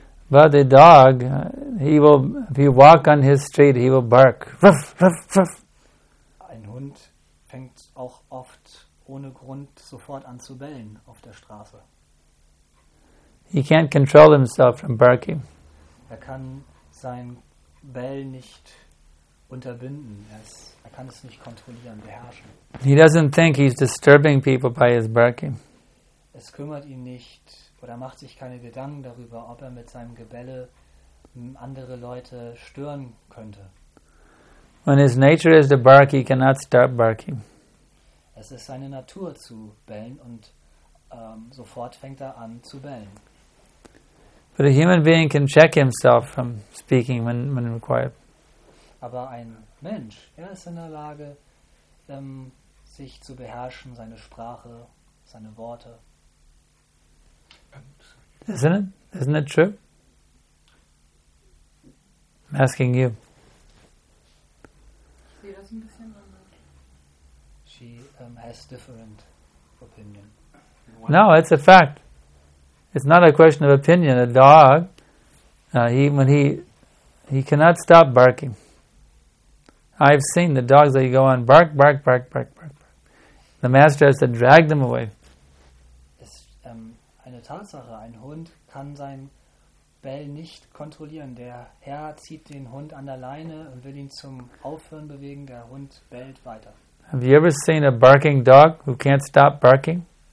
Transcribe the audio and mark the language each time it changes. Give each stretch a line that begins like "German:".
English: But the dog, he will, if you walk on his street, he will bark. Ruff, ruff, ruff.
German: Ein Hund fängt auch oft ohne Grund sofort an zu bellen auf der Straße.
English: He can't control himself from barking.
German: Er kann sein Bellen nicht unterbinden. Er kann es nicht kontrollieren, beherrschen.
English: He doesn't think he's disturbing people by his barking.
German: Es kümmert ihn nicht oder macht sich keine Gedanken darüber, ob er mit seinem Gebelle andere Leute stören könnte.
English: When his nature is to bark, he cannot stop barking.
German: Es ist seine Natur zu bellen und sofort fängt er an zu bellen.
English: But a human being can check himself from speaking when required.
German: Aber ein Mensch, er ist in der Lage, sich zu beherrschen, seine Sprache, seine Worte.
English: Isn't it true? I'm asking you.
German: Ich sehe das ein bisschen anders.
English: She has different opinion. No, it's a fact. It's not a question of opinion. A dog, he cannot stop barking. I've seen the dogs that go on bark, bark, bark, bark, bark, bark. The master has to drag them away.
German: Eine Tatsache, ein Hund kann sein Bell nicht kontrollieren. Der Herr zieht den Hund an der Leine und will ihn zum Aufhören bewegen. Der Hund bellt weiter.
English: Have you ever seen a barking dog who can't stop barking?